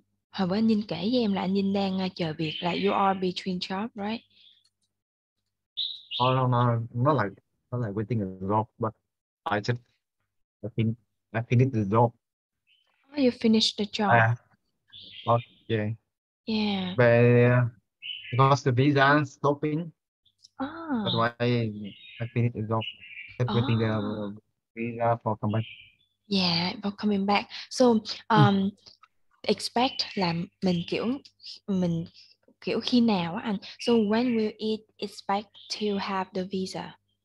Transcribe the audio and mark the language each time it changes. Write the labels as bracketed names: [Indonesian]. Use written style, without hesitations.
[Vietnamese] Hồi bữa anh Ninh kể với em là anh Ninh đang chờ việc, là [English] you are between job, right? Oh, no, not like waiting a job, but I finished the job. Oh, you finished the job. Yeah. But because the visa stopping, that's why I finished the job. Waiting the visa for coming. Yeah, for coming back. [Vietnamese] So, expect là mình kiểu khi nào á anh? [English] So when will it expect to have the visa?